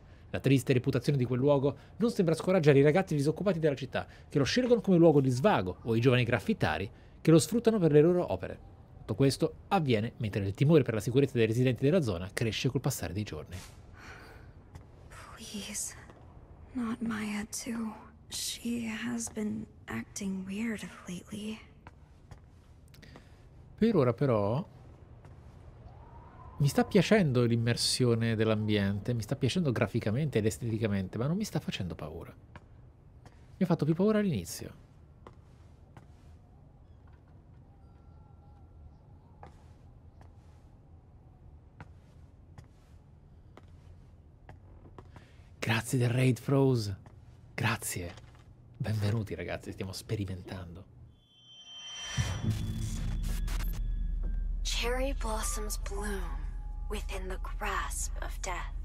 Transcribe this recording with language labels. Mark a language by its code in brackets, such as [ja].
[it] La triste reputazione di quel luogo non sembra scoraggiare i ragazzi disoccupati della città, che lo scelgono come luogo di svago, o i giovani graffitari, che lo sfruttano per le loro opere. Tutto questo avviene mentre il timore per la sicurezza dei residenti della zona cresce col passare dei giorni. [en] Please, not Maya too. She has been acting weird lately. [it] Per ora però mi sta piacendo l'immersione dell'ambiente, mi sta piacendo graficamente ed esteticamente, ma non mi sta facendo paura. Mi ha fatto più paura all'inizio. Grazie del Raid Froze. Grazie. Benvenuti ragazzi, stiamo sperimentando. [en] Cherry blossoms bloom within the grasp of death.